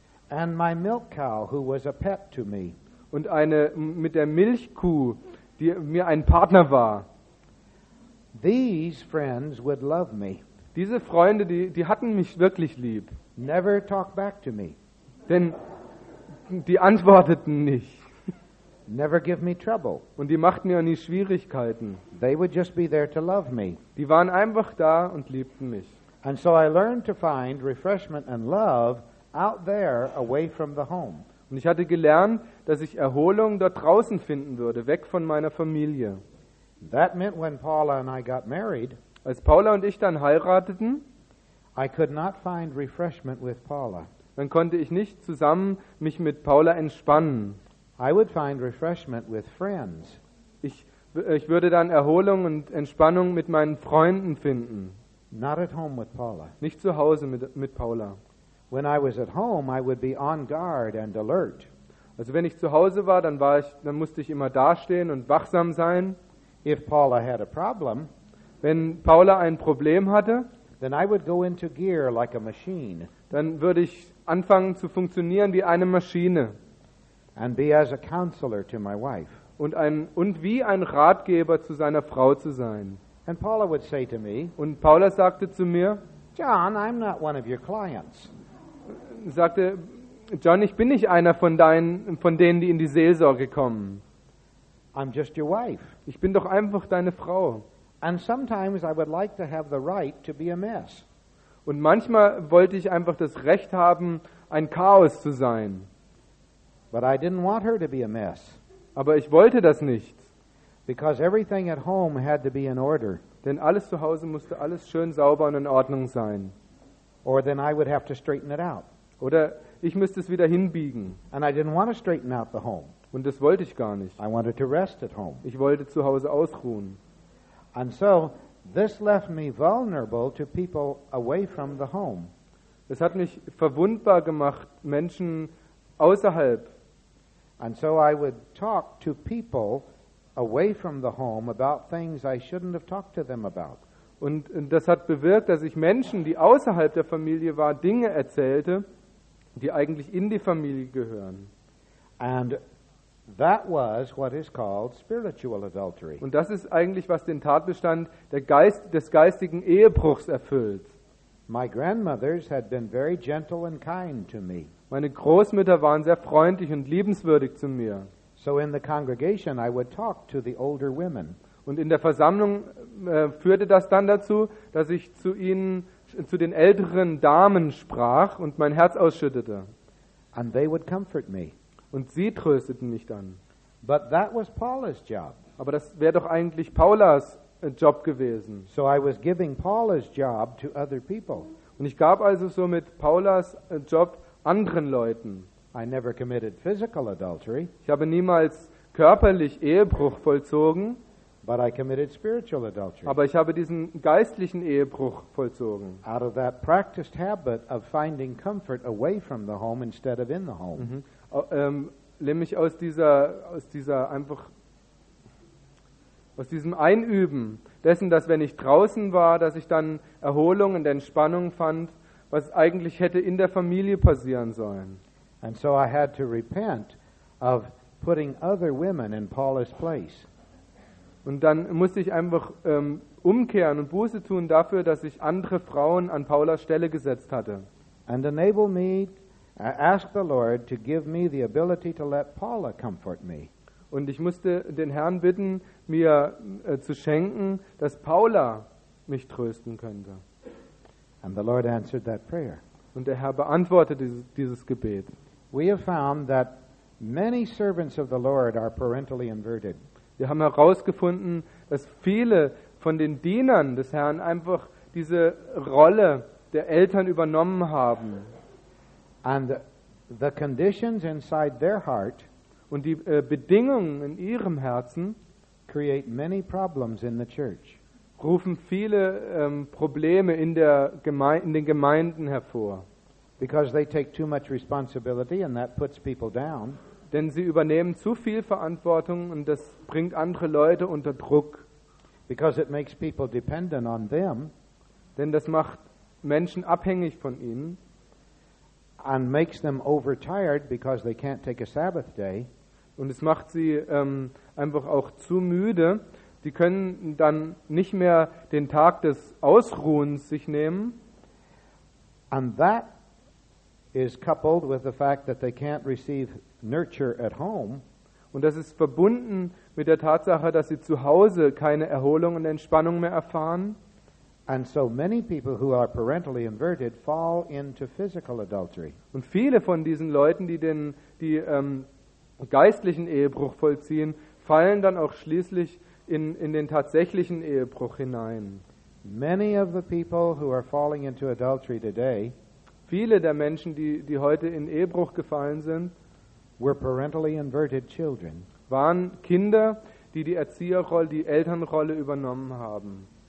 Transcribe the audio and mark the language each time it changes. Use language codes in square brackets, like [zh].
[en] And my milk cow, who was a pet to me. [de] Und eine mit der Milchkuh, die mir ein Partner war. [en] These friends would love me. [de] Diese Freunde, die hatten mich wirklich lieb. [en] Never talk back to me. [de] Denn die antworteten nicht. [en] Never give me trouble. [de] Und die machten mir auch nie Schwierigkeiten. [en] They would just be there to love me. [de] Die waren einfach da und liebten mich. [en] And so I learned to find refreshment and love out there, away from the home. [de] Und ich hatte gelernt, dass ich Erholung dort draußen finden würde, weg von meiner Familie. [en] That meant when Paula and I got married, [de] als Paula und ich dann heirateten, [en] I could not find refreshment with Paula. [de] Dann konnte ich nicht zusammen mich mit Paula entspannen. [en] I would find refreshment with friends. [de] Ich würde dann Erholung und Entspannung mit meinen Freunden finden. [en] Not at home with Paula. [de] Nicht zu Hause mit Paula. [en] When I was at home, I would be on guard and alert. [de] Also wenn ich zu Hause war, dann musste ich immer dastehen und wachsam sein. [en] If Paula had a problem, [de] wenn Paula ein Problem hatte, [en] then I would go into gear like a machine. [de] Dann würde ich anfangen zu funktionieren wie eine Maschine. [en] And be as a counselor to my wife. [de] Und wie ein Ratgeber zu seiner Frau zu sein. [en] And Paula would say to me, [de] und Paula sagte zu mir, [en] John, I'm not one of your clients. [de] Sagte, John, ich bin nicht einer von denen, die in die Seelsorge kommen. [en] I'm just your wife. [de] Ich bin doch einfach deine Frau. [en] And sometimes I would like to have the right to be a mess. [de] Und manchmal wollte ich einfach das Recht haben, ein Chaos zu sein. [en] But I didn't want her to be a mess. [de] Aber ich wollte das nicht. [en] Because everything at home had to be in order. [de] Denn alles zu Hause musste alles schön sauber und in Ordnung sein. [en] Or then I would have to straighten it out. [de] Oder ich müsste es wieder hinbiegen. [en] And I didn't want to straighten out the home. [de] Und das wollte ich gar nicht. [en] I wanted to rest at home. [de] Ich wollte zu Hause ausruhen. [en] And so this left me vulnerable to people away from the home. [de] Das hat mich verwundbar gemacht, Menschen außerhalb. [en] And so I would talk to people away from the home about things I shouldn't have talked to them about. [de] Und das hat bewirkt, dass ich Menschen, die außerhalb der Familie waren, Dinge erzählte, die eigentlich in die Familie gehören. [en] And that was what is called spiritual adultery. [de] Und das ist eigentlich, was den Tatbestand des geistigen Ehebruchs erfüllt. [en] My grandmothers had been very gentle and kind to me. [de] Meine Großmütter waren sehr freundlich und liebenswürdig zu mir. [en] So in the congregation I would talk to the older women. [de] Und in der Versammlung führte das dann dazu, dass ich zu ihnen, zu den älteren Damen sprach und mein Herz ausschüttete. [en] And they would comfort me. [de] Und sie trösteten mich dann. [en] But that was Paula's job. [de] Aber das wäre doch eigentlich Paulas Job gewesen. [en] So I was giving Paula's job to other people. [de] Und ich gab also somit Paulas Job anderen Leuten. [en] I never committed physical adultery. [de] Ich habe niemals körperlich Ehebruch vollzogen. [en] But I committed spiritual adultery. [de] Aber ich habe diesen geistlichen Ehebruch vollzogen. [en] Out of that practiced habit of finding comfort away from the home instead of in the home. [de] Nämlich aus diesem Einüben dessen, dass wenn ich draußen war, dass ich dann Erholung und Entspannung fand, was eigentlich hätte in der Familie passieren sollen. [en] And so I had to repent of putting other women in Paul's place. [de] Und dann musste ich einfach umkehren und Buße tun dafür, dass ich andere Frauen an Paulas Stelle gesetzt hatte. [en] And enable me, ask the Lord to give me the ability to let Paula comfort me. [de] Und ich musste den Herrn bitten, mir zu schenken, dass Paula mich trösten könnte. [en] And the Lord answered that prayer. [de] Und der Herr beantwortete dieses Gebet. [en] We have found that many servants of the Lord are parentally inverted. [de] Wir haben herausgefunden, dass viele von den Dienern des Herrn einfach diese Rolle der Eltern übernommen haben. [en] And the conditions inside their heart [de] und die Bedingungen in ihrem Herzen [en] create many problems in the church. [de] Rufen viele Probleme in den Gemeinden hervor. [en] Because they take too much responsibility and that puts people down. [de] Denn sie übernehmen zu viel Verantwortung und das bringt andere Leute unter Druck. [en] Because it makes people dependent on them. [de] Denn das macht Menschen abhängig von ihnen. [en] And makes them overtired because they can't take a Sabbath day. [de] Und es macht sie einfach auch zu müde. Die können dann nicht mehr den Tag des Ausruhens sich nehmen. [en] And that is coupled with the fact that they can't receive nurture at home. [de] Und das ist verbunden mit der Tatsache, dass sie zu Hause keine Erholung und Entspannung mehr erfahren. [en] And so many people who are parentally inverted fall into physical adultery. [de] Und viele von diesen Leuten, die geistlichen Ehebruch vollziehen, fallen dann auch schließlich in den tatsächlichen Ehebruch hinein. [en] Many of the people who are falling into adultery today, [de] viele der Menschen, die heute in Ehebruch gefallen sind, [en] were parentally inverted children. [de] Waren Kinder, die die Erzieherrolle, die Elternrolle übernommen haben.